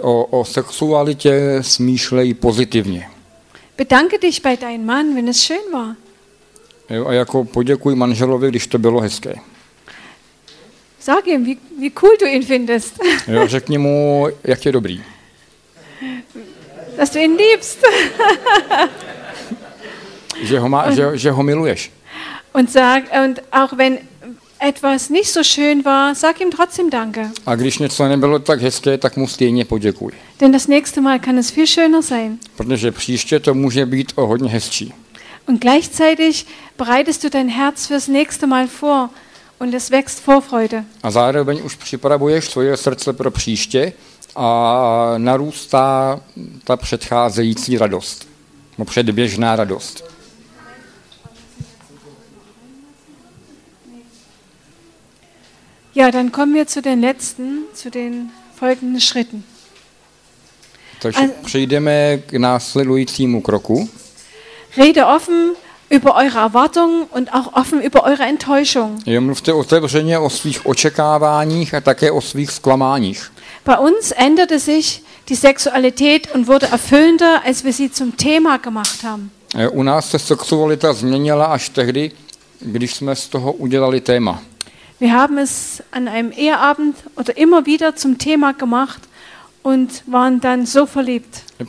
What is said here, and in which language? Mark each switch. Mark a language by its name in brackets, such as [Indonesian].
[Czech] O sexualitě smýšlej pozitivně. [German] Bedanke dich bei deinem Mann, wenn es schön war. [Czech] A jako poděkuj manželovi, když to bylo hezké. [German] Sag ihm, wie cool du ihn findest. [Czech] Jo, řekni mu, jak je dobrý. [German] Dass du ihn liebst. [Czech] Že ho miluješ. [German] Und sag, und auch wenn etwas nicht so schön war, sag ihm trotzdem danke. [Czech] A když něco nebylo tak hezké, tak mu stejně poděkuj. [German] Denn das nächste Mal kann es viel schöner sein. [Czech] Protože příště to může být o hodně hezčí. [German] Und gleichzeitig bereitest du dein Herz fürs nächste Mal vor und es wächst Vorfreude. [Czech] A zároveň už připravuješ svoje srdce pro příště a narůstá ta předcházející radost. No předběžná radost. [German] Ja, dann kommen wir zu den letzten, zu den folgenden Schritten. [Czech] Takže přejdeme k následujícímu kroku. [German] Rede offen über eure Erwartungen und auch offen über eure Enttäuschung. [Czech] Jo, mluvte otevřeně o svých očekáváních a také o svých zklamáních. [German] Bei uns änderte sich die Sexualität und wurde erfüllender, als wir sie zum Thema gemacht haben. [Czech] U nás se sexualita změnila až tehdy, když jsme z toho udělali téma. [German] Wir haben es an einem Eheabend oder immer wieder zum Thema gemacht und waren dann so verliebt.